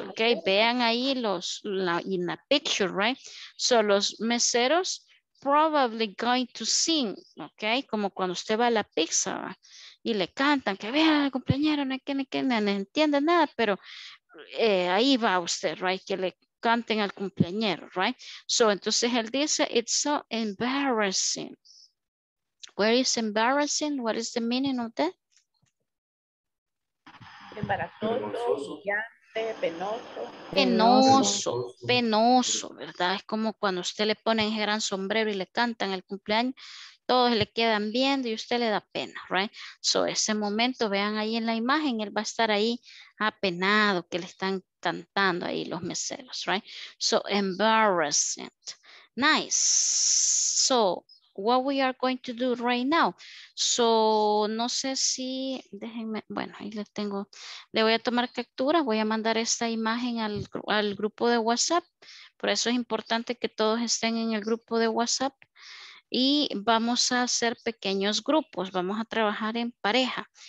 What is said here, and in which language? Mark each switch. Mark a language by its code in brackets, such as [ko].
[en] Ok, [es] vean ahí los, [en] in the picture, right? [es] So los meseros, [en] probably going to sing, [es] ok, como cuando usted va a la pizza, ¿va? Y le cantan, que vea, compañero, no entiende nada, pero ahí va usted, right, que le canten al cumpleañero, right, so entonces él dice, [en] it's so embarrassing. Where is embarrassing? What is the meaning of that? [es] Embarazoso. Penoso, ¿verdad? Es como cuando usted le pone ese gran sombrero y le cantan el cumpleaños, todos le quedan viendo y usted le da pena, right? So, ese momento, vean ahí en la imagen, él va a estar ahí apenado que le están cantando ahí los meseros, right? [en] So, embarrassing. Nice. So, what we are going to do right now. [es] So, no sé si, déjenme, bueno, ahí le tengo, le voy a tomar captura, voy a mandar esta imagen al grupo de WhatsApp. Por eso es importante que todos estén en el grupo de WhatsApp. Y vamos a hacer pequeños grupos, vamos a trabajar en pareja.